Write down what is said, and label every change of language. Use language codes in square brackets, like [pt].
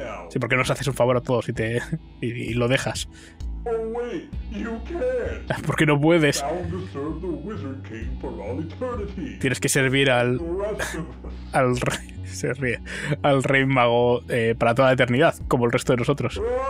[es] Sí, ¿por qué nos haces un favor a todos y lo dejas? [en] Oh, wait, you can't. [es] ¿Por qué no puedes? [en] Bound to serve the Wizard King for all eternity. [es] Tienes que servir al rey mago para toda la eternidad, como el resto de nosotros.